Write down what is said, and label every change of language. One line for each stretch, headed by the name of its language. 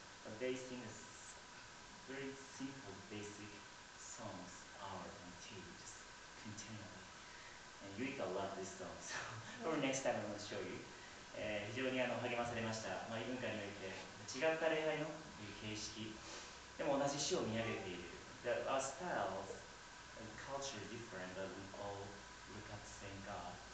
English: But they sing a very simple, basic songs, hour and two, just continually. And Yuika loved this song, so for next time I'm going to show you.
Japanese: 非常に励まされました。まあ、異文化において、違った礼拝の形式、でも同じ詩を見上げている。
English: That our styles and culture are different, but we all look at the same God.